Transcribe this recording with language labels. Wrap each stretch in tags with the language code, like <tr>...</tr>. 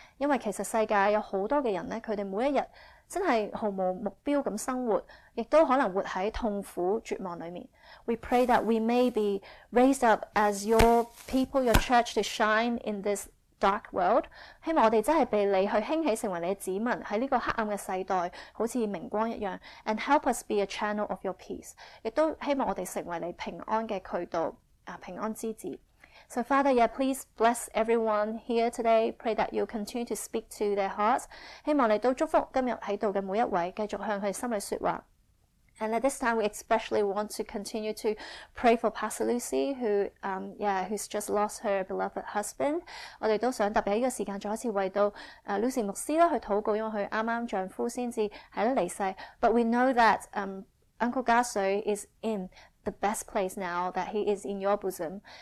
<yue>因為其實世界有好多嘅人咧，佢哋每一日真係毫無目標咁生活，亦都可能活喺痛苦絕望裡面。</yue> <en>We pray that we may be raised up as your people, your church to shine in this dark world.</en> <yue>希望我哋真係被你去興起成為你嘅子民，喺呢個黑暗嘅世代，好似明光一樣。</yue> <en>And help us be a channel of your peace.</en> <yue>亦都希望我哋成為你平安嘅渠道，平安之子。</yue> <en>So Father, yeah, please bless everyone here today. Pray that you'll continue to speak to their hearts.</en> <yue>希望你都祝福今日喺度嘅每一位，繼續向佢心裏說話。</yue> <en>And at this time, we especially want to continue to pray for Pastor Lucy, who's just lost her beloved husband.</en> <yue>我哋都想特別喺呢個時間再一次為到Lucy 牧師啦去禱告，因為佢啱啱丈夫先至係咧離世。</yue> <en>But we know that Uncle Gaso is in the best place now, that he is in your bosom.</en>